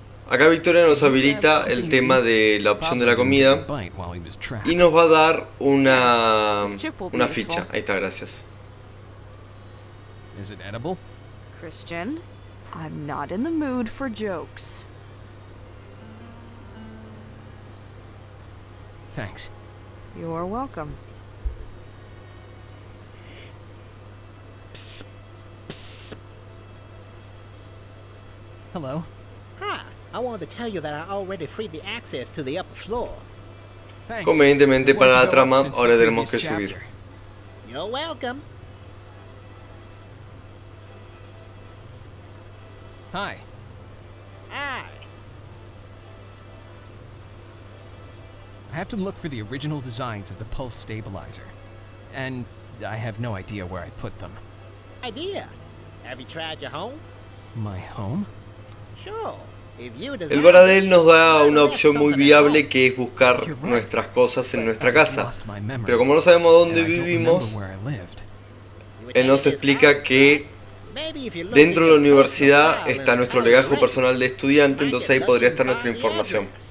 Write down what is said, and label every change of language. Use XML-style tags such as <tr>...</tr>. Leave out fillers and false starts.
<es>Acá Victoria nos habilita el tema de la opción de la comida y nos va a dar una ficha. Ahí está, gracias.</es> <en>Is it edible? Christian, I'm not in the mood for jokes. Thanks. You're welcome. Hello. I wanted to tell you that I already freed the access to the upper floor. Thanks.</en> <es>Convenientemente para la trama, ahora tenemos que subir.</es> <en>You're welcome. Hi. Hi. I have to look for the original designs of the pulse stabilizer. And I have no idea where I put them. Idea? Have you tried your home? My home? Sure.</en> <es>El Baradel nos da una opción muy viable, que es buscar nuestras cosas en nuestra casa. Pero como no sabemos dónde vivimos, él nos explica que dentro de la universidad está nuestro legajo personal de estudiante, entonces ahí podría estar nuestra información.</es>